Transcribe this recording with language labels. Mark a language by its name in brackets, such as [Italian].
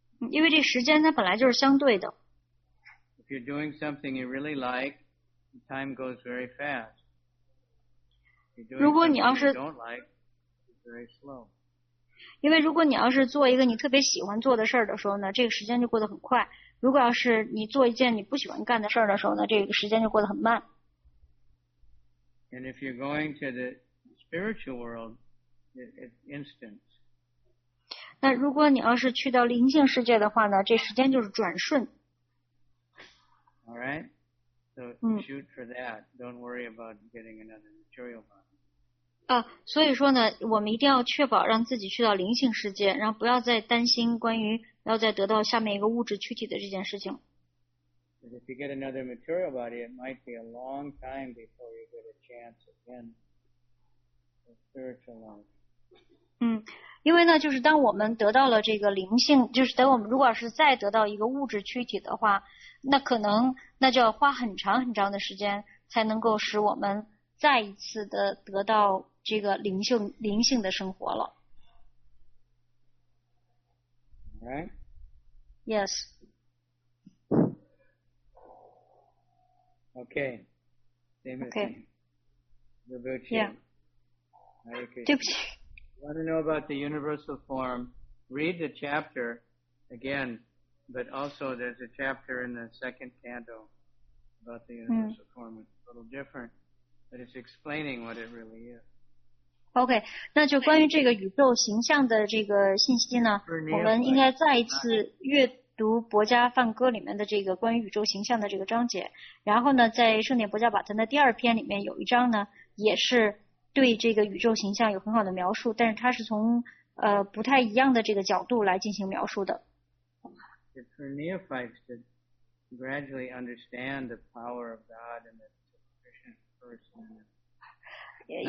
[Chinese] 因为这时间它本来就是相对的。 [English] If you're doing something you really like, time goes very fast. [Chinese] 如果你要是 [English] like, [Chinese] 因为如果你要是做一个你特别喜欢做的事儿的时候呢，这个时间就过得很快。如果要是你做一件你不喜欢干的事儿的时候呢，这个时间就过得很慢。 [English] And if you're going to the spiritual world, it's instant. [Chinese] 那如果你要是去到灵性世界的话呢，这时间就是转瞬。 [English] All right, so shoot for that. Don't worry about getting another material body. [Chinese] 所以说呢，我们一定要确保让自己去到灵性世界，然后不要再担心关于要再得到下面一个物质躯体的这件事情。 [English] But if you get another material body, it might be a long time before you get a chance again for spiritual life. [Chinese] 因为呢，就是当我们得到了这个灵性，就是等我们如果是再得到一个物质躯体的话，那可能那就要花很长很长的时间才能够使我们再一次的得到这个灵性的生活了。 [English] All right. Yes. Okay. Same okay. The virtue. Yeah. Okay. [Chinese] 对不起。 [English] You want to know about the universal form? Read the chapter again, but also there's a chapter in the second canto about the universal form. It's a little different, but it's explaining what it really is. [Chinese] OK, 那就关于这个宇宙形象的这个信息呢，我们应该再一次阅读《博迦梵歌》里面的这个关于宇宙形象的这个章节，然后呢，在圣典博迦瓦坛的第二篇里面有一章呢，也是对这个宇宙形象有很好的描述，但是它是从不太一样的这个角度来进行描述的。 [English] It's for neophytes to gradually understand the power of God and the sufficient person.